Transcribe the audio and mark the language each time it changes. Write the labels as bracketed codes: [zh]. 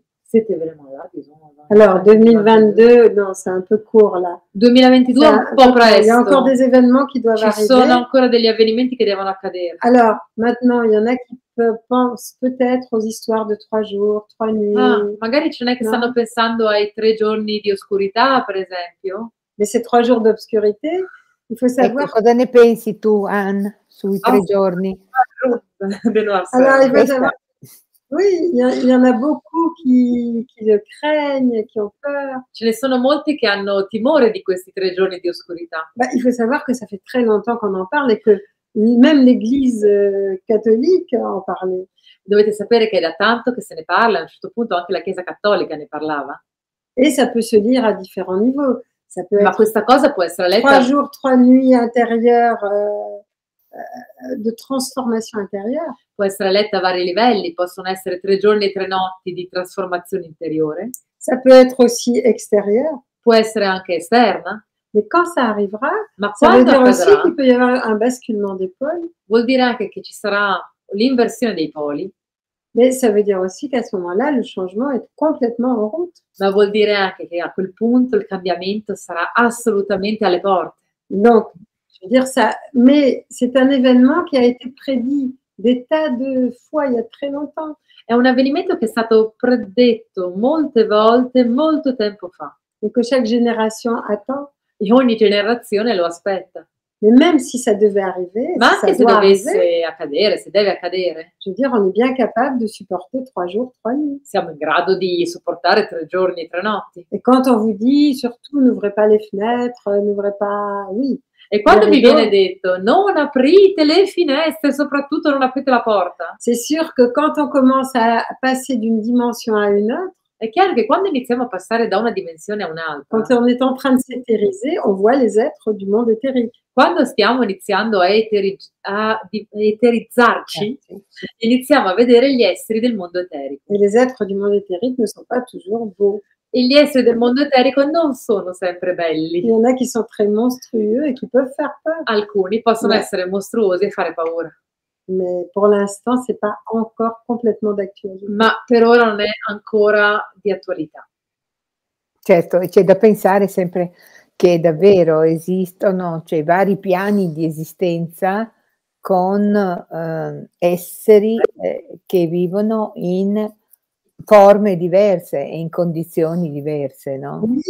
[fr] C'était vraiment là, disons. Alors, 2022, non, c'est un peu court là. [it] 2022, un po' presto. [fr] Il y a encore des événements qui doivent arriver. [it] Ci sono ancora degli avvenimenti che devono accadere. [fr] Alors, maintenant, il y en a qui pensent peut-être aux histoires de trois jours, trois nuits. [it] Ah, magari ce n'è che stanno pensando ai tre giorni di oscurità, per esempio. [fr] Mais ces trois jours d'obscurité, il faut savoir. [it] Ecco, cosa ne pensi tu, Anne, sui tre giorni? Benoît, allora, [fr] il faut savoir. Oui, il y en a beaucoup qui le craignent, qui ont peur. [it] Ce ne sono molti che hanno timore di questi tre giorni di oscurità. [fr] Bah, il faut savoir que ça fait très longtemps qu'on en parle et que même l'Église catholique en parlait. [it] Dovete sapere che è da tanto che se ne parla, a un certo punto anche la Chiesa cattolica ne parlava. [fr] Et ça peut se lire à différents niveaux. Ça peut [it] Ma questa cosa può essere letta... [fr] Trois jours, trois nuits intérieures... [it] De transformazione interiore può essere letta a vari livelli, possono essere tre giorni e tre notti di trasformazione interiore. [fr] Ça peut être aussi extérieur. [it] Può essere anche esterna. [fr] Mais quand ça arrivera, [it] ma ça quando [fr] veut dire [it] accadrà, [fr] aussi qu'il peut y avoir un basculement des pôles. [it] Vuol dire anche che ci sarà l'inversione dei poli. [fr] Mais ça veut dire aussi qu'à ce moment-là, le changement est complètement en route. [it] Ma vuol dire anche che a quel punto il cambiamento sarà assolutamente alle porte. [fr] Donc, je veux dire ça, mais c'est un événement qui a été prédit des tas de fois il y a très longtemps. [it] È un avvenimento che è stato predetto molte volte, molto tempo fa. [fr] Et que chaque génération attend. [it] Et ogni generazione lo aspetta. [fr] Mais même si ça devait arriver, [it] ma anche se dovesse accadere, se deve accadere. [fr] Je veux dire, on est bien capable de supporter trois jours, trois nuits. [it] Siamo in grado di sopportare tre giorni, tre notti. [fr] Et quand on vous dit, surtout, n'ouvrez pas les fenêtres, n'ouvrez pas, oui. [it] E quando mi viene detto non aprite le finestre, soprattutto non aprite la porta. [fr] C'est sûr que quand on commence à passer d'une dimension à une autre, [it] è chiaro che quando iniziamo a passare da una dimensione a un'altra, [fr] quand on est en train de s'éteriser, on voit les êtres du monde éthérique. [it] Quando stiamo iniziando a eterizzarci, iniziamo a vedere gli esseri del mondo eterico. [fr] Et les êtres du monde éthérique ne sont pas toujours beaux. [it] E gli esseri del mondo eterico non sono sempre belli. [fr] Il y en a qui sont très monstrueux et qui peuvent faire peur. [it] Alcuni possono essere mostruosi e fare paura. [fr] Mais pour l'instant, c'est pas encore complètement d'actualité. [it] Ma per ora non è ancora di attualità. Certo, c'è da pensare sempre che davvero esistono, cioè, vari piani di esistenza con esseri che vivono in forme diverse e in condizioni diverse, no?